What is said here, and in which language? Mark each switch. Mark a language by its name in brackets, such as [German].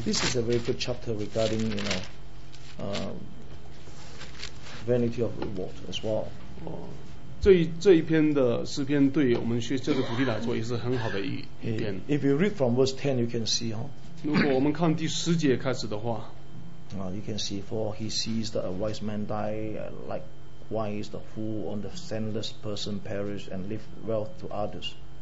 [English] This is a very good chapter regarding, you know, vanity of reward as well. [Chinese] 这一篇的诗篇对我们学这个主题来说也是很好的一篇。 [English] If you read from verse 10, you can see, [Chinese] 如果我们看第十节开始的话， [English] You can see, for he sees that a wise man die, likewise the fool on the sendless person perish and leave wealth to others.